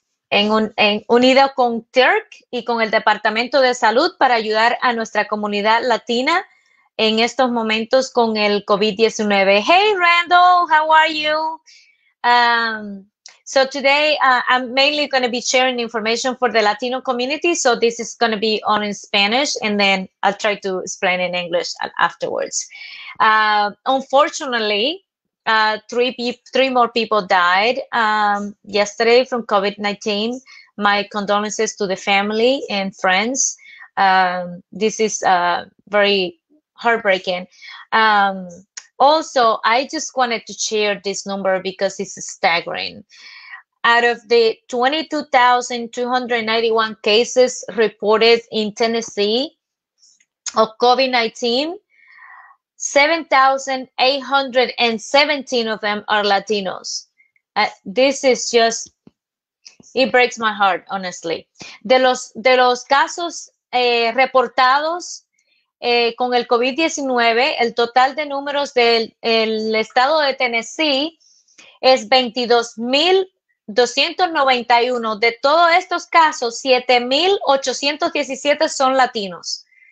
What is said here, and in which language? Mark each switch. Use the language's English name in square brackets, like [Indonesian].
[Spanish] en unido con Turk y con el Departamento de Salud para ayudar a nuestra comunidad latina en estos momentos con el COVID-19. [English] Hey, Randall, how are you? So today I'm mainly going to be sharing information for the Latino community. So this is going to be all in Spanish, and then I'll try to explain in English afterwards. Unfortunately, three more people died yesterday from COVID-19. My condolences to the family and friends. This is very heartbreaking. Also, I just wanted to share this number because it's staggering. Out of the 22,291 cases reported in Tennessee of COVID-19, 7,817 of them are Latinos. This is just, it breaks my heart, honestly. [Spanish] De los casos reportados con el COVID-19, el total de números del el estado de Tennessee es 22,291. De todos estos casos, 7,817 son latinos.